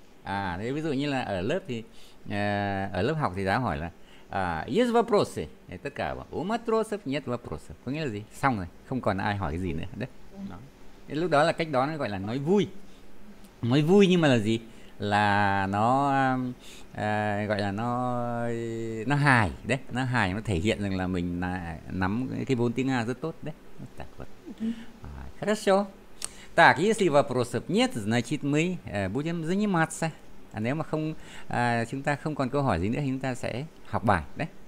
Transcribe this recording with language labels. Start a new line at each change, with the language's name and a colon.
Vietnamese: À, thế ví dụ như là ở lớp thì ở lớp học thì giáo hỏi là
Russian: есть вопросы,
Vietnamese: tất cả
Russian: у матросов нет вопросов,
Vietnamese: có nghĩa là gì, xong rồi, không còn ai hỏi cái gì nữa đấy. Đó. Lúc đó là cách đó nó gọi là nói vui, nhưng mà là gì, là nó gọi là nó hài đấy, nó hài, nó thể hiện rằng là mình là nắm cái vốn tiếng Nga rất tốt đấy.
Russian: Так вот. Хорошо. Так, если вопросов нет, значит мы будем заниматься.
Vietnamese: А nếu mà không, chúng ta không còn câu hỏi gì nữa, thì chúng ta sẽ học bài đấy.